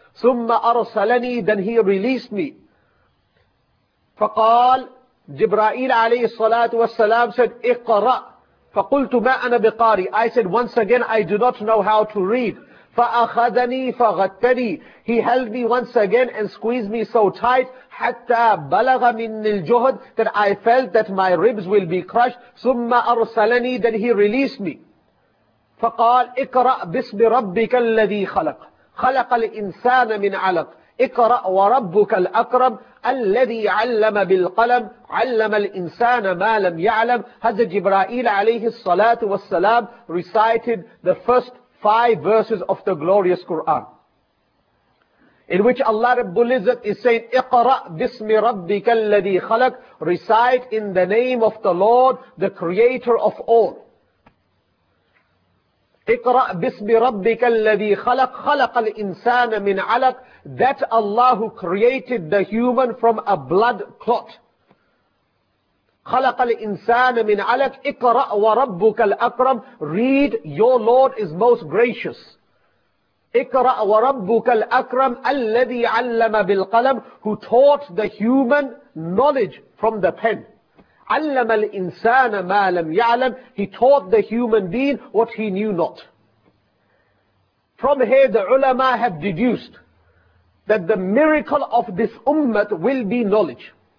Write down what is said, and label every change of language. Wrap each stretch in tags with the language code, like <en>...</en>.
<ar>ثُمَّ أَرْسَلَنِي,</ar> <en>then he released me.</en> <ar>فَقَالْ,</ar> <en>Jibra'il alayhi salatu wasalam said,</en> <ar>اِقْرَأْ. فَقُلْتُ مَا أَنَا بِقَارِ.</ar> <en>I said, once again, I do not know how to read.</en> <ar>فَأَخَذَنِي فَغَتَّنِي.</ar> <en>He held me once again and squeezed me so tight,</en> <ar>حَتَّى بَلَغَ مِنِّ الْجُهْدِ,</ar> <en>that I felt that my ribs will be crushed.</en> <ar>ثُمَّ أَرْسَلَنِي,</ar> <en>then he released me.</en> <ar>فَقَالْ اِقْرَأْ بِسْمِ رَبِّكَ الَّذِي خَلَقَ. خلق الإنسان من علق اقرأ وربك الأكرم الذي علم بالقلم علم الإنسان ما لم يعلم.</ar> <en>هذا جبرائيل عليه الصلاة والسلام recited the first five verses of the glorious Quran, in which Allah Rabbul Izzat is saying,</en> <ar>اقرأ بسم ربك الذي خلق,</ar> <en>recite in the name of the Lord, the creator of all.</en> <ar>اقرأ بسم ربك الذي خلق, خلق الإنسان من علق,</ar> <en>that Allah who created the human from a blood clot.</en> <ar>خلق الإنسان من علق, اقرأ وربك الأكرم,</ar> <en>read, your Lord is most gracious.</en> <ar>اقرأ وربك الأكرم الذي علم بالقلم,</ar> <en>who taught the human knowledge from the pen.</en> <ar>علم الإنسان ما لم يعلم,</ar> <en>he taught the human being what he knew not. From here the ulama have deduced that the miracle of this ummah will be knowledge.</en>